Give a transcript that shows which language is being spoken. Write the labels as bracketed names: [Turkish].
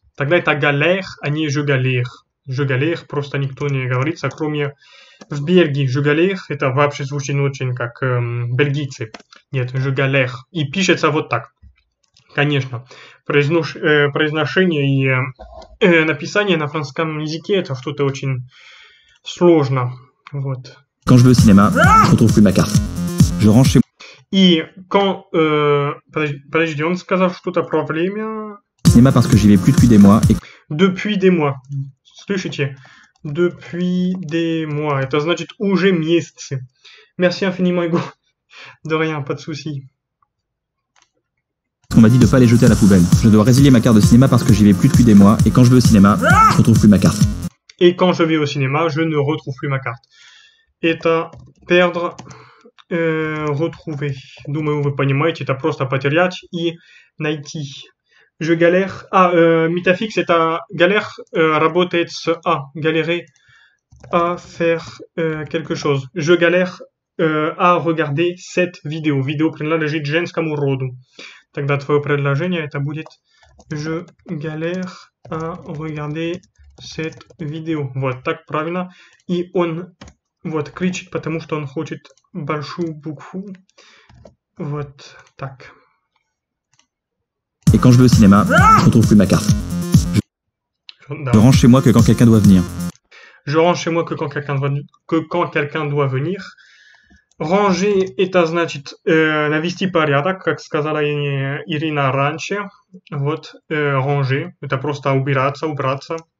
[Russian] Тогда это галех, а не жугалех. Жугалех просто никто не говорит, кроме в Бельгии жугалех, это вообще звучит очень как бельгийцы. Нет, жугалех. И пишется вот так. Конечно, произношение и написание на французском языке это что-то очень сложно. Вот. [French] Quand je vais au cinéma, je retrouve plus ma carte. Je range chez [Russian] И [French] quand... [Russian] Подожди, он сказал что-то про время... [French] cinéma parce que j'y vais plus depuis des mois et Depuis des mois. [Russian] Слышите? [French] Depuis des mois. [Russian] Это значит уже месяцы. [French] Merci infiniment, Hugo. De rien, pas de souci. on m'a dit de pas les jeter à la poubelle. Je dois résilier ma carte de cinéma parce que j'y vais plus depuis des mois et quand je vais au cinéma, je retrouve plus ma carte. Et quand je vais au cinéma, je ne retrouve plus ma carte. Et à perdre, retrouver. [Russian] Думаю, вы понимаете, это просто потерять и найти. [French] Je galère. Ah, métaphique, c'est à galère, [Russian] работает с A. [French] Galérer à faire quelque chose. Je galère à regarder cette vidéo. Vidéo prénoménale de Jenskamurodu. [Russian] Тогда твое предложение, это будет [French] Je galère à regarder cette vidéo. [Russian] Вот так правильно. И он вот кричит, потому что он хочет большую букву. Вот так. [French] Et quand je vais au cinéma, je retrouve plus ma carte. Je Non. range chez moi que quand quelqu'un doit venir. Je range chez moi que quand quelqu'un doit, que quand quelqu'un doit venir. Ranger est un [Russian] значит навести порядок, как сказала Ирина раньше. Вот, ranger, это просто убираться.